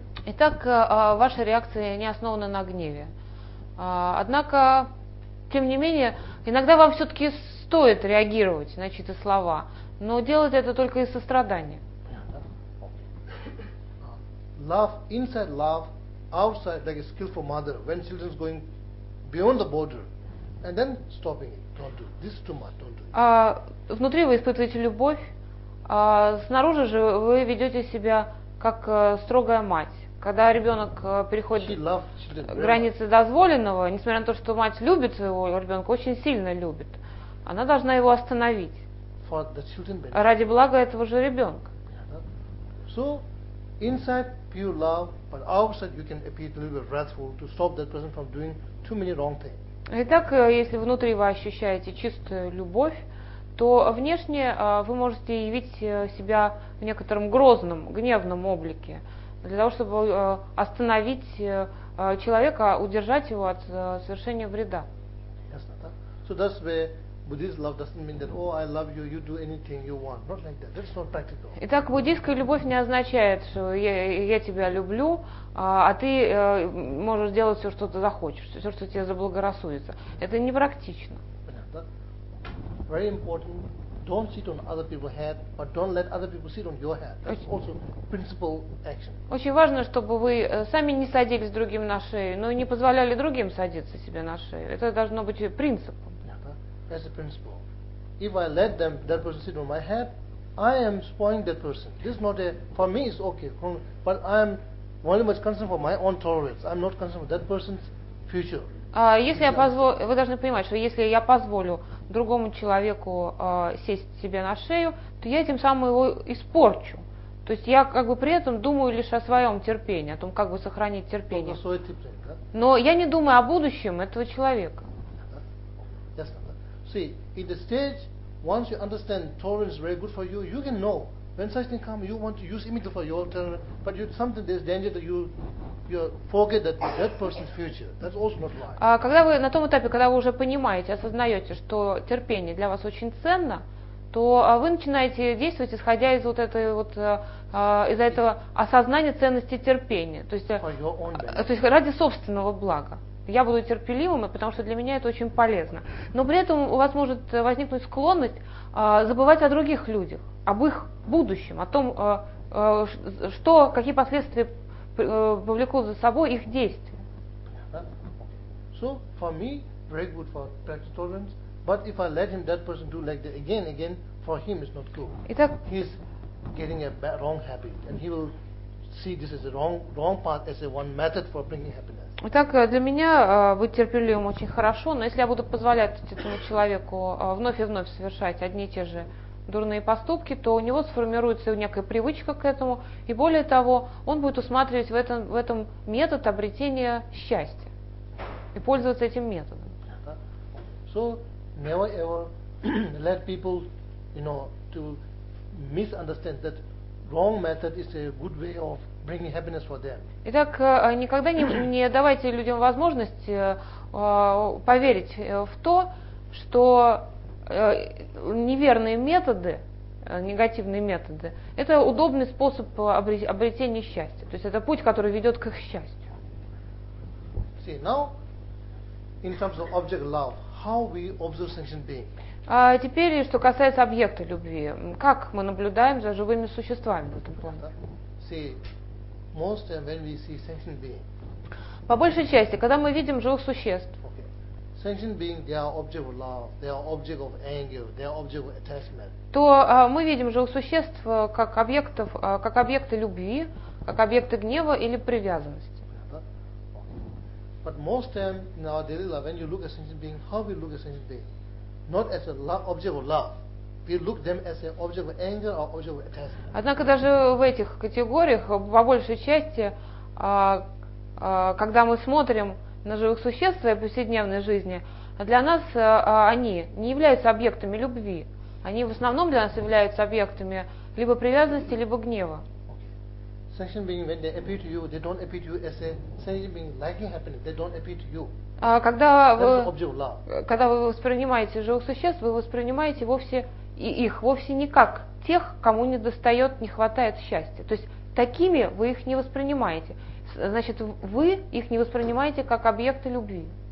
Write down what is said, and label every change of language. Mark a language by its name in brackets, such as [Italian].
[Russian] Итак, ваша реакция не основана на гневе. Однако, тем не менее, иногда вам все-таки стоит реагировать на чьи-то слова, но делать это только из сострадания. [English] Love, inside love, outside, like a skillful mother, when children's going beyond the border, and then stopping it. Don't do it. This is too much. Don't do it. [Russian] Внутри вы испытываете любовь, снаружи же вы ведете себя как строгая мать. Когда ребенок переходит границы дозволенного, несмотря на то, что мать любит своего ребенка, очень сильно любит, она должна его остановить ради блага этого же ребенка. [English] So, inside pure love, but outside you can appear a little bit wrathful to stop that person from doing too many wrong things. [Russian] Итак, если внутри вы ощущаете чистую любовь, то внешне вы можете явить себя в некотором грозном, гневном облике для того, чтобы остановить человека, удержать его от совершения вреда. [English] So that's where Buddhist love doesn't mean that, oh, I love you, you do anything you want. Not like that. That's not practical. [Russian] Итак, буддийская любовь не означает, что я тебя люблю, а ты можешь делать все, что ты захочешь, все, что тебе заблагорассудится. Это непрактично. [English] Very important don't sit on other people's head, but don't let other people sit on your head. That's also principle action. [Russian] Очень важно, чтобы вы сами не садились другим на шею, но и не позволяли другим садиться себе на шею. Это должно быть принципом. [English] That's the principle. If I let them, that person sit on my head, I am spoiling that person. This is not a, for me it's okay, but I am only much concerned for my own tolerance. I'm not concerned with that person's future. [Russian] Если я позволю, вы должны понимать, что если я позволю другому человеку сесть себе на шею, то я этим самым его испорчу. То есть я как бы при этом думаю лишь о своем терпении, о том, как бы сохранить терпение. Но я не думаю о будущем этого человека. [English] See, in the stage, once you understand tolerance is very good for you, you can know when such thing comes, you want to use immediately for your tolerance, but you something there's danger that you forget that person's future. That's also not right. [Russian] Когда вы на том этапе, когда вы уже понимаете, осознаете, что терпение для вас очень ценно, то вы начинаете действовать, исходя из вот этой вот из-за этого осознания ценности терпения. То есть, [English] for your own [Russian] то есть ради собственного блага. Я буду терпеливым, потому что для меня это очень полезно. Но при этом у вас может возникнуть склонность забывать о других людях, об их будущем, о том, что, какие последствия повлекут за собой их действия. [English] So for me, very good for practice tolerance, but if I let him that person do like that again, for him it's not good. [Russian] Итак, [English] he's getting a bad, wrong habit, and he will see this as a wrong path as a one method for bringing happiness. [Russian] Итак, для меня быть терпеливым очень хорошо, но если я буду позволять этому человеку вновь и вновь совершать одни и те же дурные поступки, то у него сформируется некая привычка к этому, и более того, он будет усматривать в этом метод обретения счастья и пользоваться этим методом. So never ever let people, you know, to misunderstand that wrong method is a good way of bringing happiness for them. Итак, никогда не давайте людям возможность поверить в то, что неверные методы, негативные методы, это удобный способ обретения счастья. То есть это путь, который ведет к их счастью. [English] See, now, in terms of object love, how we observe sentient beings? [Russian] Теперь, что касается объекта любви, как мы наблюдаем за живыми существами в этом плане? [English] See, most of when we see sentient being. [Russian] По большей части, когда мы видим живых существ. [English] Okay. Sentient being, they are object of love, they are object of anger, they are object of attachment. [Russian] То мы видим живых существ как объектов, как объекты любви, как объекты гнева или привязанности. [English] Okay. But most time in our daily life, when you look at sentient being, how we look at sentient being? Not as a object of love. We look them as an object of anger or object of attachment. [Russian] Однако даже в этих категориях, по большей части, когда мы смотрим на живых существ в повседневной жизни, для нас они не являются объектами любви. Они в основном для нас являются объектами либо привязанности, либо гнева. [English] Sentient beings, when they appear to you, they don't appear to you as a sentient being liking happiness. They don't appear to you. [Russian] Когда вы воспринимаете живых существ, вы воспринимаете вовсе и их вовсе не как тех, кому недостает, не хватает счастья. То есть такими вы их не воспринимаете. Значит, вы их не воспринимаете как объекты любви.